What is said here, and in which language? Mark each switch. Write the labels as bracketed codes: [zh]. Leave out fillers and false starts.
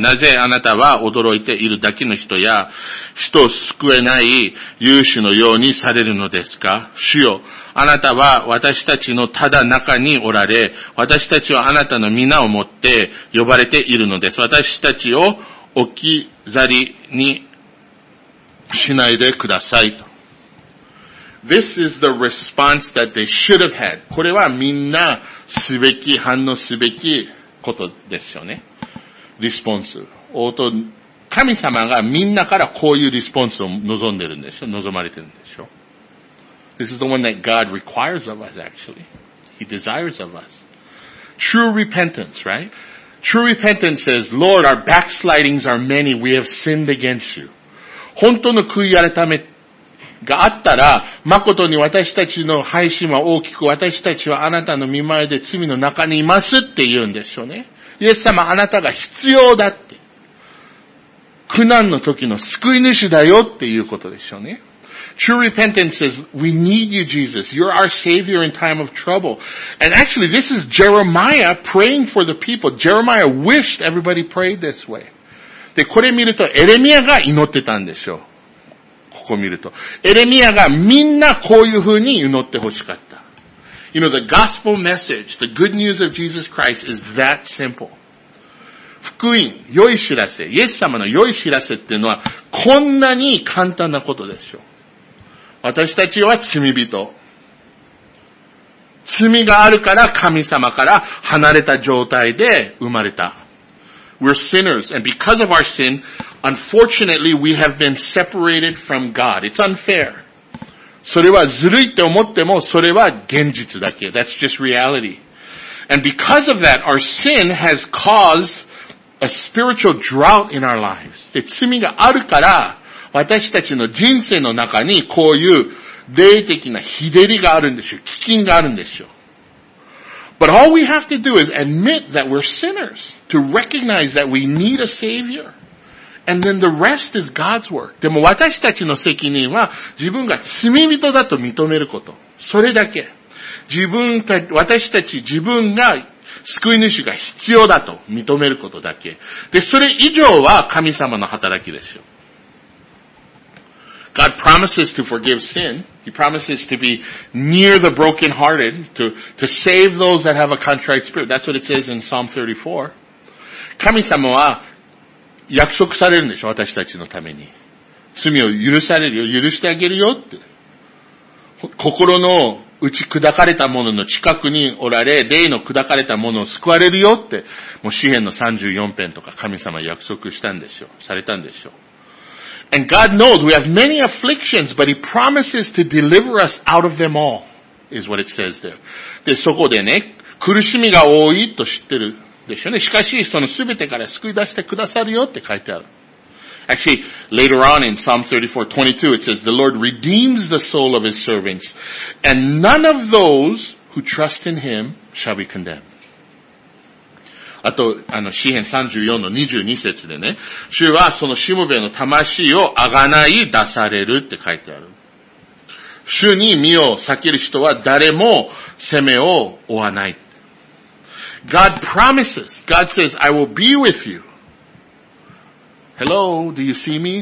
[ja] なぜあなたは驚いているだけの人や、人を救えない勇士のようにされるのですか主よ、あなたは私たちのただ中におられ、私たちはあなたの皆をもって呼ばれているのです。私たちを置き去りにしないでください。 [en] This is the response that they should have had. [ja] これはみんなすべき、反応すべきことですよね。リスポンス。応答、神様がみんなからこういうリスポンスを望んでるんでしょ、望まれてるんでしょ。 [en] This is the one that God requires of us, actually. He desires of us. True repentance, right? True repentance says, Lord, our backslidings are many. We have sinned against you. [ja] 本当の悔い改めがあったら、誠に私たちの背信は大きく、私たちはあなたの御前で罪の中にいますって言うんでしょうね。イエス様、あなたが必要だって。苦難の時の救い主だよっていうことでしょうね。 [en] True repentance says, we need you, Jesus. You're our savior in time of trouble. And actually, this is Jeremiah praying for the people. Jeremiah wished everybody prayed this way. [ja] で、これ見ると、エレミアが祈ってたんでしょう。ここ見ると。エレミアがみんなこういうふうに祈ってほしかった。 [en] You know, the gospel message, the good news of Jesus Christ is that simple. [ja] 福音、良い知らせ、イエス様の良い知らせっていうのは、こんなに簡単なことでしょう。私たちは罪人。罪があるから神様から離れた状態で生まれた。 [en] We're sinners, and because of our sin, unfortunately, we have been separated from God. It's unfair. [ja] それはずるいって思っても、それは現実だけ。 [en] That's just reality. And because of that, our sin has caused a spiritual drought in our lives. [ja] で、罪があるから、私たちの人生の中にこういう霊的な日照りがあるんでしょう。飢饉があるんでしょう。 [en] But all we have to do is admit that we're sinners. To recognize that we need a savior. And then the rest is God's work. [ja] でも私たちの責任は自分が罪人だと認めること。それだけ。私たち自分が救い主が必要だと認めることだけ。で、それ以上は神様の働きですよ。 [en] God promises to forgive sin. He promises to be near the brokenhearted, to save those that have a contrite spirit. That's what it says in Psalm 34. [ja] 神様は約束されるんでしょ、私たちのために。罪を許されるよ、許してあげるよって。心の打ち砕かれた者の近くにおられ、霊の砕かれた者を救われるよって、もう詩編の34編とか神様約束したんでしょ、されたんでしょ。 [en] And God knows we have many afflictions, but He promises to deliver us out of them all, is what it says there. [ja] で、そこでね、苦しみが多いと知ってるでしょうね。しかし、その全てから救い出してくださるよって書いてある。 [en] Actually, later on in Psalm 34:22, it says, The Lord redeems the soul of His servants, and none of those who trust in Him shall be condemned. [ja] あと、詩編34の22節でね、主はそのしもべの魂をあがない出されるって書いてある。主に身を避ける人は誰も責めを負わない。 [en] God promises. God says, I will be with you. Hello, do you see me?